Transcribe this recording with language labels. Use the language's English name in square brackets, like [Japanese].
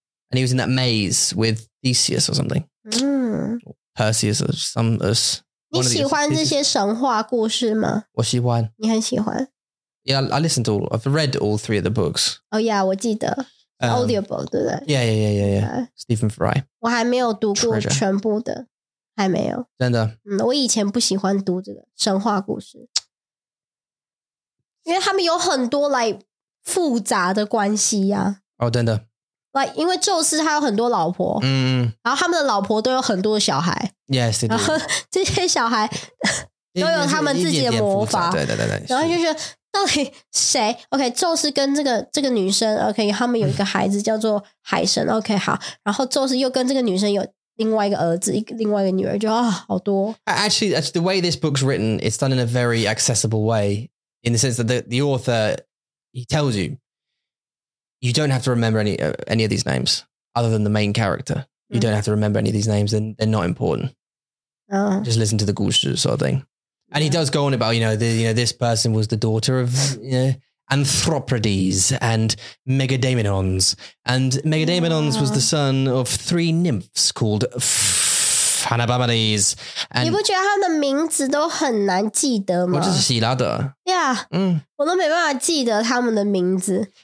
[English] And he was in that maze with Theseus or something. Mm. Perseus or some of us. [Chinese] 你喜欢这些神话故事吗? 我喜欢. 你很喜欢? [English] Yeah, I listened to all, I've read all 3 of the books. [Chinese] Oh yeah, 我记得.Audiobook, 对不对? [English] Yeah, yeah, yeah, yeah, yeah. Okay. Stephen Fry. [Chinese] 我还没有读过全部的.还没有. 真的? 我以前不喜欢读这个神话故事. 因为他们有很多, like, 复杂的关系呀哦, 真的 like, 因为宙斯他有很多老婆 然后他们的老婆都有很多小孩 [English] Yes, they do [Chinese] 然后这些小孩 都有他们自己的魔法对对对然后就是到底谁 OK, 宙斯跟这个女生 OK, 他们有一个孩子 叫做海神 OK, 好 然后宙斯又跟这个女生有另外一个儿子 另外一个女儿 就, 哦, 好多 [English] Actually, the way this book's written it's done in a very accessible way in the sense that the author he tells you, you don't have to remember any of these names other than the main character. You mm-hmm. don't have to remember any of these names. They're not important. Oh. Just listen to the 故事 sort of thing. And he does go on about, this person was the daughter of Anthropides and Megadaemonons. And Megadaemonons was the son of 3 nymphs called Hanabamades. [Chinese] 你不觉得他的名字都很难记得吗？我就是希腊的。 Yeah. 我都没办法记得他们的名字。